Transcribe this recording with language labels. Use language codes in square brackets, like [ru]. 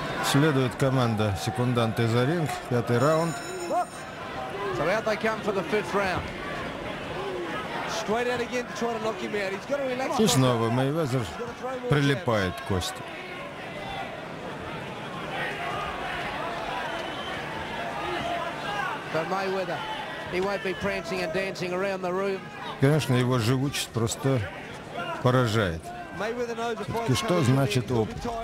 [ru] Следует команда секунданты за ринг. Пятый раунд. [en] So out they come for the fifth round. Straight out again to try to knock him out. He's got to relax. [ru] И снова Мейвезер прилипает к Косте. [en] But Mayweather, he won't be prancing and dancing around the room. [ru] Конечно, его живучесть просто поражает. И что значит опыт?